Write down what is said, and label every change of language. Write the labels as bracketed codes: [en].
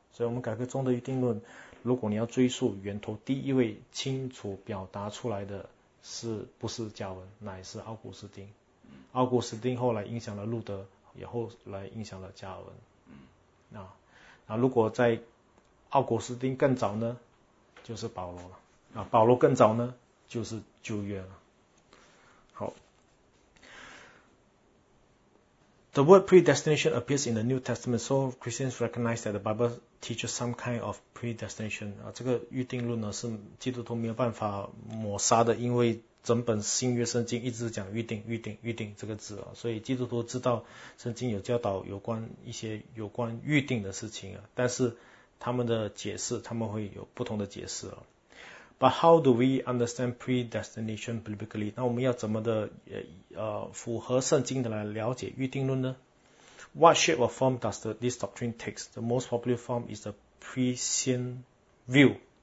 [zh] 所以我们改革中的预定论，如果你要追溯源头，第一位清楚表达出来的是不是加文，乃是奥古斯丁。奥古斯丁后来影响了路德，也后来影响了加文。那如果在奥古斯丁更早呢，就是保罗了。保罗更早呢，就是旧约了。 [en] 好， The word predestination appears in the New Testament, so Christians recognize that the Bible teaches some kind of predestination. [zh] 这个预定论呢是基督徒没有办法抹杀的，因为整本新约圣经一直讲预定、预定、预定这个字啊，所以基督徒知道圣经有教导有关一些有关预定的事情啊，但是他们的解释，他们会有不同的解释啊。 [en] But how do we understand predestination biblically? [zh] 那我们要怎么的符合圣经的来了解预定论呢？ [en] What shape or form does this doctrine take? The most popular form is the prescient view.